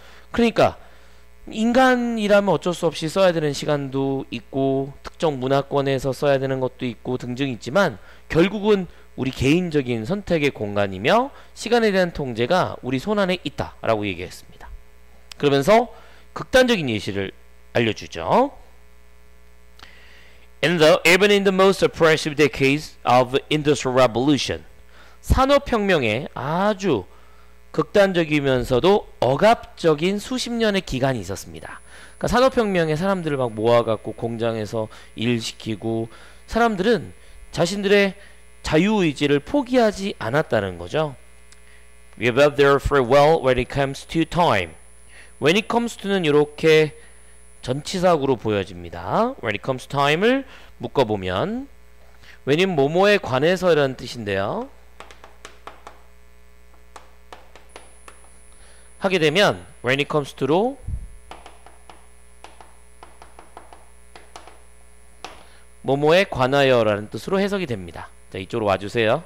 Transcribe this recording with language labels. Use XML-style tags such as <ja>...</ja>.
<ko>그러니까 인간이라면 어쩔 수 없이 써야 되는 시간도 있고 특정 문화권에서 써야 되는 것도 있고 등등 있지만 결국은 우리 개인적인 선택의 공간이며 시간에 대한 통제가 우리 손 안에 있다 라고 얘기했습니다. 그러면서 극단적인 예시를 알려주죠.</ko> <en>Even in the most oppressive decades of industrial revolution,</en> <ko>산업혁명의 아주 극단적이면서도 억압적인 수십 년의 기간이 있었습니다. 그러니까 산업혁명에 사람들을 막 모아갖고 공장에서 일시키고 사람들은 자신들의 자유의지를 포기하지 않았다는 거죠.</ko> <en>We have their free will when it comes to time. When it comes to</en> <ko>는 이렇게 전치사구로 보여집니다.</ko> <en>When it comes to time</en> <ko>을 묶어보면 when인 뭐뭐에 관해서 이라는 뜻인데요. 하게 되면</ko> <en>when it comes to</en> <ko>로 뭐뭐에 관하여라는 뜻으로 해석이 됩니다. 자, 이쪽으로 와주세요.</ko>